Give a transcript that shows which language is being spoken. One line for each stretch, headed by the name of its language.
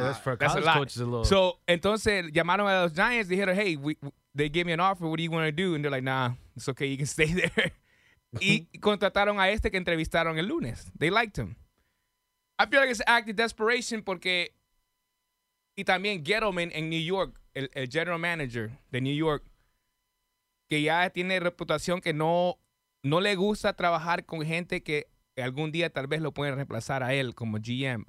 English: Yeah, that's for a college that's a lot. Coach is a little... So,
Spanish: entonces, llamaron a los Giants.
English: They
Spanish: dijeron,
English: hey, they gave me an offer. What do you want to do? And they're like, nah, it's okay. You can stay there.
Spanish: Y contrataron a este que entrevistaron el lunes.
English: They liked him. I feel like it's an act of desperation
Spanish: porque... Y también Gettleman en New York, el general manager de New York, que ya tiene reputación que no le gusta trabajar con gente que algún día tal vez lo pueden reemplazar a él como GM.